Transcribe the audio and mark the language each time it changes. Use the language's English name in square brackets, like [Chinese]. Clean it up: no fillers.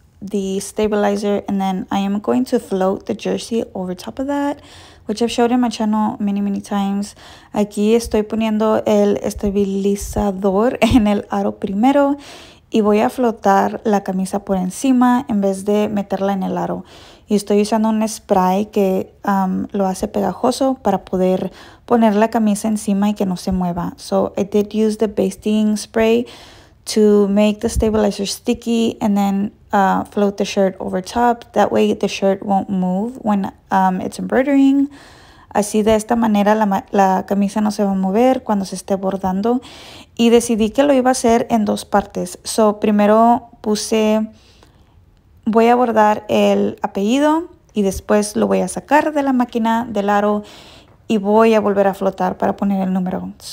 [English] the stabilizer, and then I am going to float the jersey over top of that, which I've showed in my channel many, many times. [Spanish] Aquí estoy poniendo el estabilizador en el aro primero y voy a flotar la camisa por encima en vez de meterla en el aro. Y estoy usando un spray que lo hace pegajoso para poder poner la camisa encima y que no se mueva. [English] So I did use the basting spray to make the stabilizer sticky and then float the shirt over top. That way the shirt won't move when it's embroidering. [Spanish] Así de esta manera la camisa no se va a mover cuando se esté bordando. Y decidí que lo iba a hacer en dos partes. So primero puse, voy a bordar el apellido y después lo voy a sacar de la máquina del aro y voy a volver a flotar para poner el número.